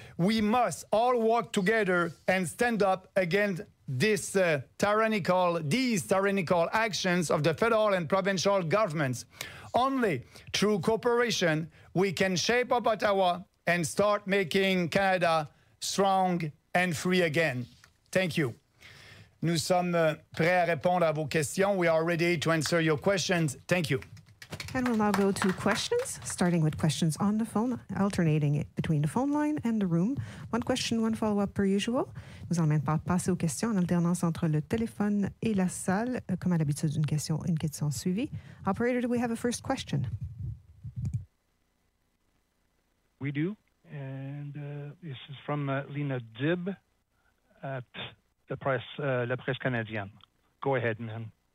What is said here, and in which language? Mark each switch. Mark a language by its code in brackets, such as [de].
[en] We must all work together and stand up against these tyrannical actions of the federal and provincial governments. Only through cooperation, we can shape up Ottawa and start making Canada strong and free again. Thank you. [fr] Nous sommes prêts à répondre à vos questions. [en] We are ready to answer your questions. Thank you. And we'll now go to questions, starting with questions on the phone, alternating it between the phone line and the room. One question, one follow-up per usual. [fr] Nous allons maintenant passer aux questions en alternance entre le téléphone et la salle, comme à l'habitude, une question suivie. [en] Operator, do we have a first question? We do. And this is from Lena Dibb at the Presse, La Presse Canadienne. Go ahead, ma'am.